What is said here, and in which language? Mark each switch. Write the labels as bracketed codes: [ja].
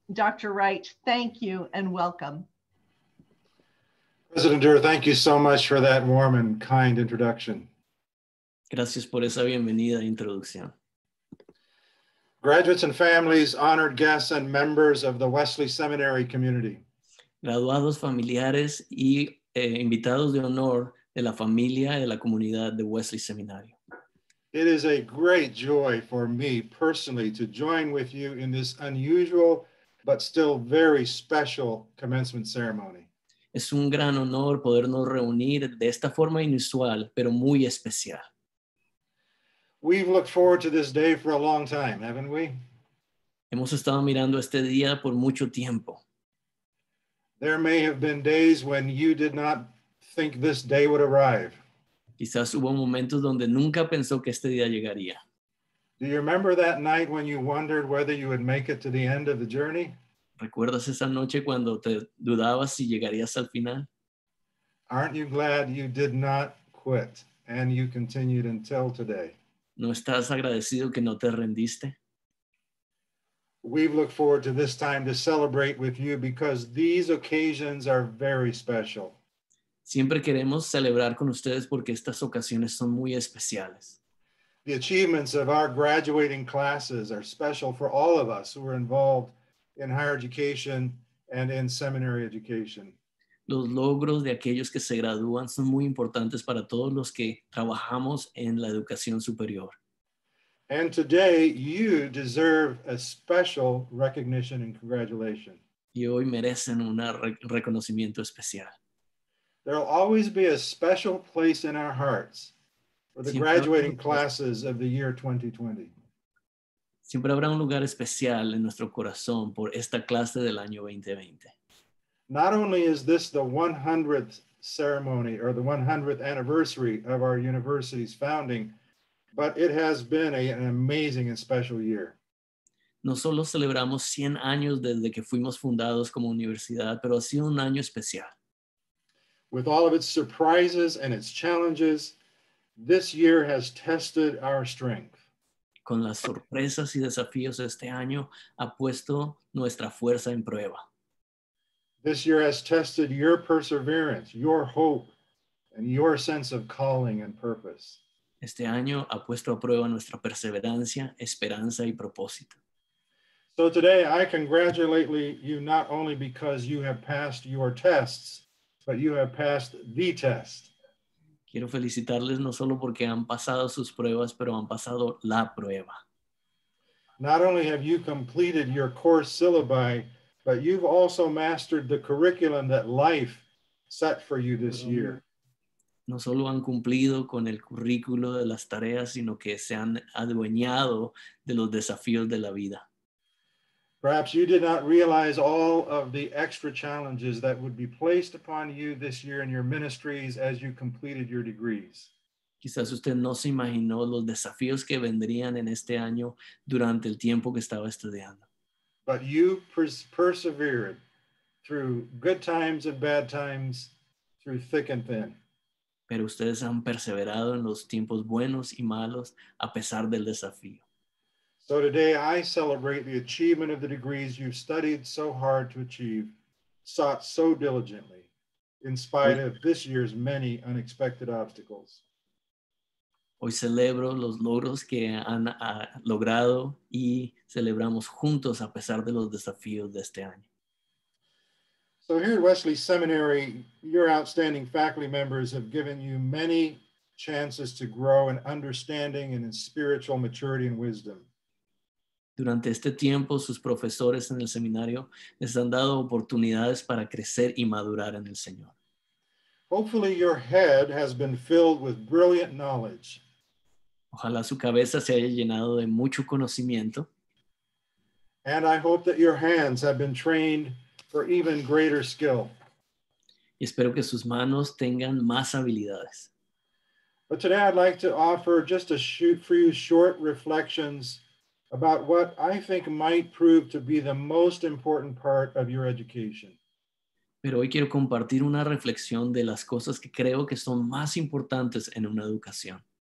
[en] Dr. Wright, thank you and welcome. President Durr, thank you so much for that warm and kind introduction. [es] Gracias por esa bienvenida e introducción. [en] Graduates and families, honored guests, and members of the Wesley Seminary community. [es] Graduados, familiares, y invitados de honor de la familia y de la comunidad de Wesley Seminario. [en] It is a great joy for me personally to join with you in this unusual but still very special commencement ceremony. [es] Es un gran honor podernos reunir de esta forma inusual, pero muy especial. [en] We've looked forward to this day for a long time, haven't we? [es] Hemos estado mirando este día por mucho tiempo. [en] There may have been days when you did not think this day would arrive. [es] Quizás hubo momentos donde nunca pensó que este día llegaría. [en] Do you remember that night when you wondered whether you would make it to the end of the journey? [es] ¿Recuerdas esa noche cuando te dudabas si llegarías al final? [en] Aren't you glad you did not quit and you continued until today? [es] ¿No estás agradecido que no te rendiste? [en] We've looked forward to this time to celebrate with you because these occasions are very special. [es] Siempre queremos celebrar con ustedes porque estas ocasiones son muy especiales. [en] The achievements of our graduating classes are special for all of us who are involved in higher education and in seminary education. [es] Los logros de aquellos que se gradúan son muy importantes para todos los que trabajamos en la educación superior. [en] And today you deserve a special recognition and congratulation. [es] Y hoy merecen un reconocimiento especial. [en] There will always be a special place in our hearts for the graduating classes of the year 2020. [es] Siempre habrá un lugar especial en nuestro corazón por esta clase del año 2020. [en] Not only is this the 100th ceremony or the 100th anniversary of our university's founding, but it has been an amazing and special year. [es] No solo celebramos 100 años desde que fuimos fundados como universidad, pero ha sido un año especial. [en] With all of its surprises and its challenges, this year has tested our strength. [es] Con las sorpresas y desafíos de este año, ha puesto nuestra fuerza en prueba. [en] This year has tested your perseverance, your hope, and your sense of calling and purpose. [es] Este año ha puesto a prueba nuestra perseverancia, esperanza y propósito. [en] So today I congratulate you not only because you have passed your tests, but you have passed the test. [es] Quiero felicitarles no solo porque han pasado sus pruebas, pero han pasado la prueba. [en] Not only have you completed your course syllabi, but you've also mastered the curriculum that life set for you this year. [es] No solo han cumplido con el currículo de las tareas, sino que se han adueñado de los desafíos de la vida. [en] Perhaps you did not realize all of the extra challenges that would be placed upon you this year in your ministries as you completed your degrees. [es] Quizás usted no se imaginó los desafíos que vendrían en este año durante el tiempo que estaba estudiando. [en] But you persevered through good times and bad times, through thick and thin. [es] Pero ustedes han perseverado en los tiempos buenos y malos a pesar del desafío. [en] So today I celebrate the achievement of the degrees you've studied so hard to achieve, sought so diligently, in spite of this year's many unexpected obstacles. [es] Hoy celebro los logros que han logrado y celebramos juntos a pesar de los desafíos de este año. [en] So here at Wesley Seminary, your outstanding faculty members have given you many chances to grow in understanding and in spiritual maturity and wisdom. [es] Durante este tiempo, sus profesores en el seminario les han dado oportunidades para crecer y madurar en el Señor. [en] Hopefully your head has been filled with brilliant knowledge. [es] Ojalá su cabeza se haya llenado de mucho conocimiento. [en] And I hope that your hands have been trained for even greater skill. [es] Y espero que sus manos tengan más habilidades. [en] But today I'd like to offer just a few short reflections about what I think might prove to be the most important part of your education. [es] Pero hoy quiero compartir una reflexión de las cosas que creo que son más importantes en una educación.